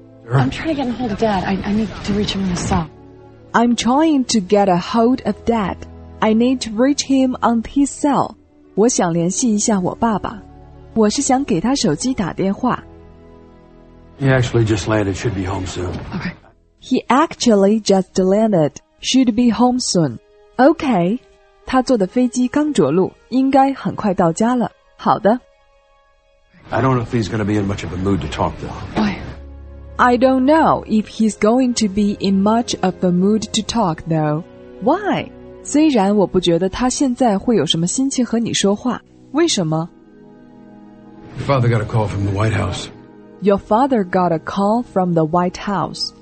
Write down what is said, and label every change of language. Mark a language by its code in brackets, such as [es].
[en] I'm trying to get a hold of Dad. I need to reach him in the cell. I'm trying to get a hold of Dad. I need to reach him on his cell. [zh] 我想联系一下我爸爸。我是想给他手机打电话。 [en] He actually just landed. Should be home soon. Okay. He actually just landed. Should be home soon. Okay. [zh] 他坐的飞机刚着陆，应该很快到家了。好的。 [en] I don't know if he's going to be in much of a mood to talk, though. Why? I don't know if he's going to be in much of a mood to talk, though. Why? [zh] 虽然我不觉得他现在会有什么心情和你说话。为什么？ [en] Your father got a call from the White House. Your father got a call from the White House.